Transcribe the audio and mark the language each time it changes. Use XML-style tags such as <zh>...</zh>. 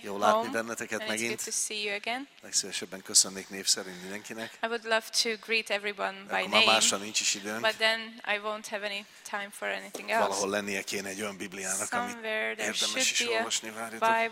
<hu>Jó látni benneteket megint.</hu> <en>It's good to see you again.</en> <hu>Legszívesebben köszönnék név szerint mindenkinek.</hu> <en>I would love to greet everyone by name.</en> <hu>Akkor már másra nincs is időnk.</hu> <en>But then I won't have any time for anything else.</en> <hu>Valahol lennie kéne egy olyan Bibliának, amit érdemes is olvasni, várjátok.</hu>